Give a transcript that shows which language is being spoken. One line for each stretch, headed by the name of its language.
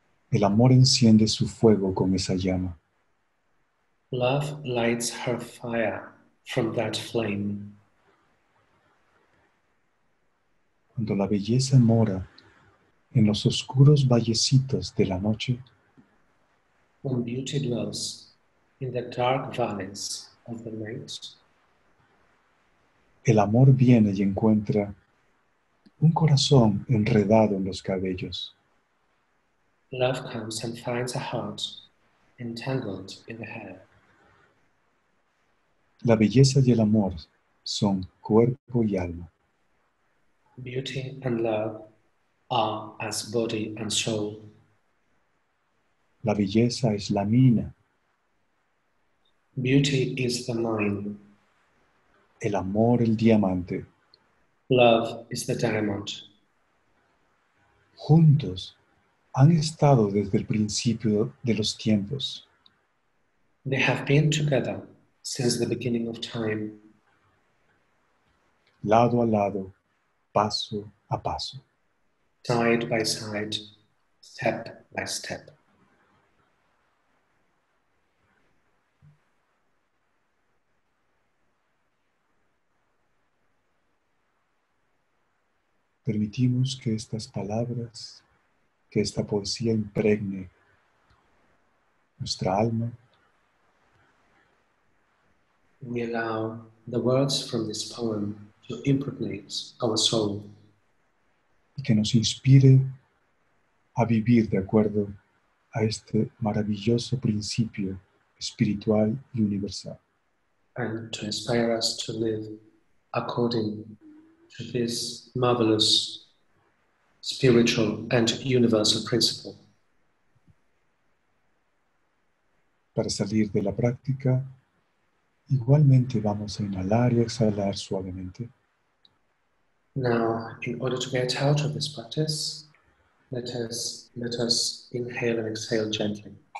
Spanish: el amor enciende su fuego con esa llama.
English: Love lights her fire from that flame.
Spanish: Cuando la belleza mora en los oscuros vallecitos de la noche,
English: when beauty dwells in the dark valleys of the night,
Spanish: el amor viene y encuentra un corazón enredado en los cabellos.
English: Love comes and finds a heart entangled in the hair.
Spanish: La belleza y el amor son cuerpo y alma.
English: Beauty and love are as body and soul.
Spanish: La belleza es la mina.
English: Beauty is the mine.
Spanish: El amor, el diamante.
English: Love is the diamond.
Spanish: Juntos han estado desde el principio de los tiempos.
English: They have been together since the beginning of time.
Spanish: Lado a lado, paso a paso.
English: Side by side, step by step.
Spanish: Permitimos que estas palabras, que esta poesía impregne nuestra alma.
English: We allow the words from this poem to impregnate our soul.
Spanish: Y que nos inspire a vivir de acuerdo a este maravilloso principio espiritual y universal.
English: And to inspire us to live according to this marvelous spiritual and universal principle.
Spanish: Para salir de la práctica, igualmente vamos a inhalar y exhalar suavemente.
English: Now, in order to get out of this practice, let us inhale and exhale gently.